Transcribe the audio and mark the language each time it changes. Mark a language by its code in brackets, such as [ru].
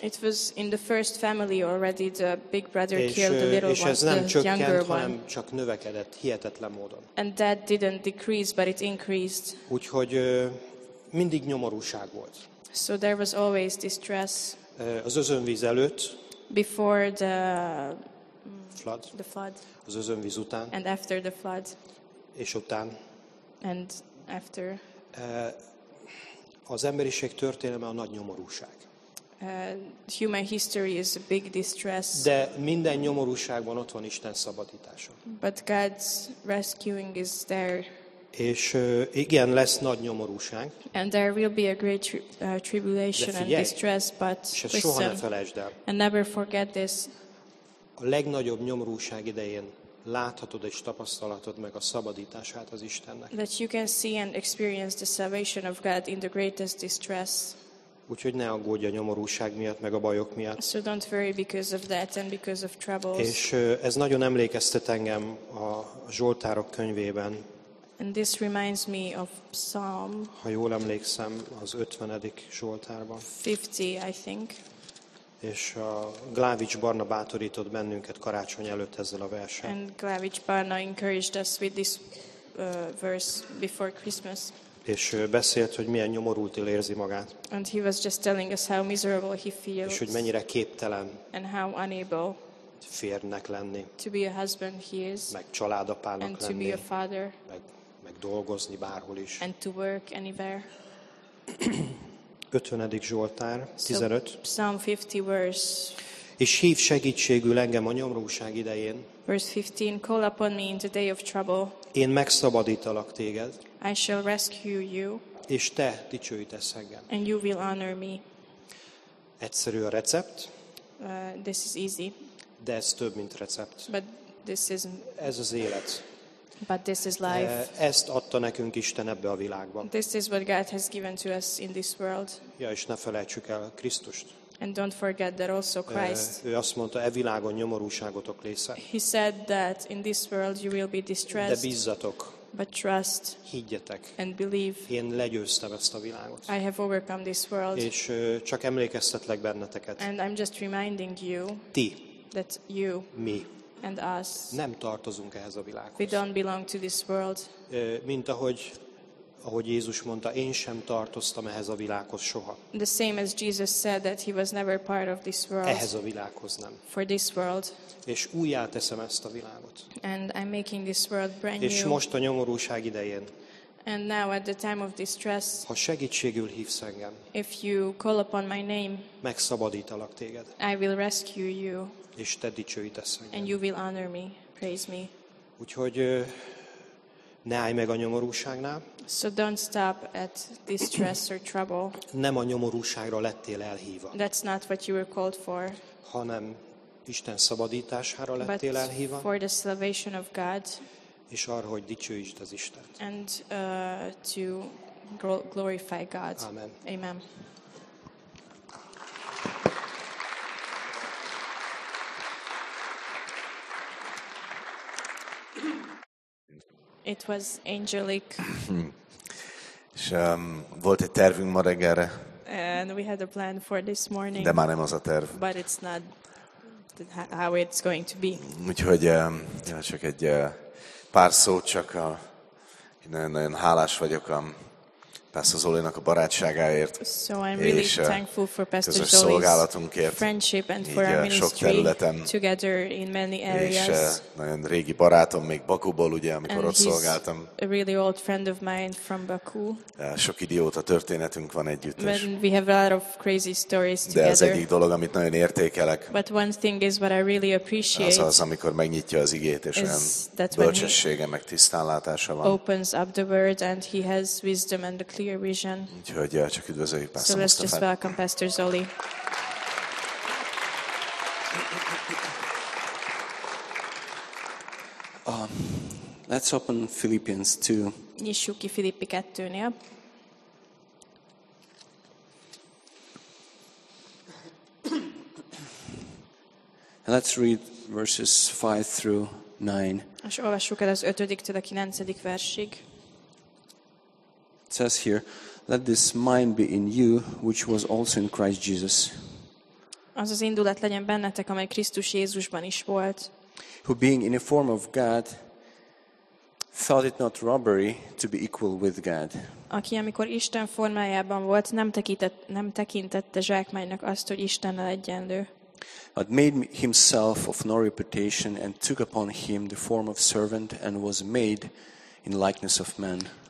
[en] It was in the first family already the big brother [hu] és, [en] killed the little [hu] és ez [en] one, [hu] nem [en] the [hu] csökkent, [en] younger one. [hu] Hanem csak növekedett hihetetlen módon. [en] And that didn't decrease, but it increased. [hu] Úgyhogy mindig nyomorúság volt. [en] So there was always distress. [hu] Az özönvíz előtt. [en] Before the flood. The flood. [hu] Az özönvíz után. [en] And after the flood. [hu] És után. [en] And after. [hu] Az emberiség történelme a nagy nyomorúság. [en] Human history is a big distress. [hu] De minden nyomorúságban ott van Isten szabadítása. [en] But God's rescuing is there. [hu] És igen, lesz nagy nyomorúság. [en] And there will be a great tribulation and distress, but [hu] és ezt soha ne felejtsd el. [en] And never forget this. [hu] A legnagyobb nyomorúság idején láthatod és tapasztalhatod meg a szabadítását az Istennek. [en] That you can see and experience the salvation of God in the greatest distress. [hu] Úgyhogy ne aggódj a nyomorúság miatt, meg a bajok miatt. [en] So don't worry because of that and because of troubles. [hu] És ez nagyon emlékeztet engem a Zsoltárok könyvében. [en] And this reminds me of Psalm. [hu] Ha jól emlékszem, az 50. Zsoltárban. [en] 50, I think. [hu] És a Glávics Barna bátorított bennünket karácsony előtt ezzel a versen. [en] And Glávics Barna encouraged us with this verse before Christmas. [hu] És beszélt, hogy milyen nyomorultil érzi magát. [en] And he was just telling us how miserable he feels. [hu] És hogy mennyire képtelen. [en] And how unable. [hu] Férnek lenni. [en] To be a husband he is. [hu] Meg családapának lenni. [en] And to be a father. [hu] Meg dolgozni bárhol is. [en] And to work anywhere. [hu] 50. Zsoltár, 15. [en] So, Psalm 50 verse. [hu] És hív segítségül engem a nyomorúság idején. [en] Verse 15, call upon me in the day of trouble. [hu] Én megszabadítalak téged. [en] I shall rescue you. [hu] És te dicsőítesz engem. [en] And you will honor me. [hu] Egyszerű a recept. [en] This is easy. [hu] De ez több, mint recept. [en] But this is... [hu] Ez az élet. [en] But this is life. [hu] Ezt adta nekünk Isten ebbe a világban. [en] This is what God has given to us in this world. [hu] Ja, és ne felejtsük el Krisztust. [en] And don't forget that also Christ. [hu] Ő azt mondta, e világon nyomorúságotok lesz. [en] He said that in this world you will be distressed. [hu] De bízzatok. [en] But trust. [hu] Higgyetek. [en] And believe. [hu] Én legyőztem ezt a világot. [en] I have overcome this world. [hu] És csak emlékeztetlek benneteket. [en] And I'm just reminding you. [hu] Ti. [en] That you. [hu] Mi. [en] And us. [hu] Nem tartozunk ehhez a világhoz. [en] We don't belong to this world. [hu] Mint ahogy Jézus mondta, én sem tartoztam ehhez a világhoz soha. [en] The same as Jesus said that he was never part of this world. [hu] Ehhez a világhoz nem. [en] For this world. [hu] És újjáteszem ezt a világot. [en] And I'm making this world brand new. [hu] És most a nyomorúság idején. [en] And now at the time of distress. [hu] Ha segítségül hívsz engem. [en] If you call upon my name. [hu] Megszabadítalak téged. [en] I will rescue you. [hu] És te dicsőítesz engem. [en] And you will honor me, praise me. [hu] Úgyhogy ne állj meg a nyomorúságnál. [en] So don't stop at distress or trouble. [hu] Nem a nyomorúságra lettél elhívva. [en] That's not what you were called for. [hu] Hanem Isten szabadítására lettél elhívva. [en] For the salvation of God. [hu] És arra, hogy dicsőítsd az Istent. [en] And to glorify God. [hu] Amen. [en] Amen. It was angelic. [hu] És volt egy tervünk ma reggelre. [en] And we had a plan for this morning. [hu] De már nem az a terv. [en] But it's not how it's going to be. [hu] Úgyhogy csak egy pár szót, csak nagyon-nagyon hálás vagyok a Pásztor Zolinak a barátságáért. [en] So I'm really thankful for Pastor Zoli's [hu] szolgálatunkért. [en] Friendship and for our ministry [hu] sok területen. [en] Together in many areas. [hu] És nagyon régi barátom, még Bakuból, ugye, amikor [en] and [hu] ott szolgáltam. [en] A really old friend of mine from Baku. [hu] Sok idióta történetünk van együtt. [en] When we have a lot of crazy stories together. [hu] De az egyik dolog, amit nagyon értékelek. [en] But one thing is what I really appreciate. [hu] Az, amikor megnyitja az igét, és olyan bölcsessége, meg tisztán látása van. [en] Opens up the word and he has wisdom and clear vision. [hu] Úgyhogy csak üdvözöljük Pásztor [en] Mustafát. So let's just welcome Pastor Zoli. Let's open Philippians 2. [hu] Nyissuk ki Filippi 2-nél. [en] And let's read verses 5 through 9. [hu] És olvassuk el az 5-től a 9. versig. [en] It says here, let this mind be in you, which was also in Christ Jesus. [hu] Az az indulat legyen bennetek, amely Krisztus Jézusban is volt. [en] Who being in a form of God, thought it not robbery to be equal with God. [hu] Aki amikor Isten formájában volt, nem tekintette zsákmánynak azt, hogy Istennel egyenlő. [en] But made himself of no reputation and took upon him the form of servant and was made in likeness of man.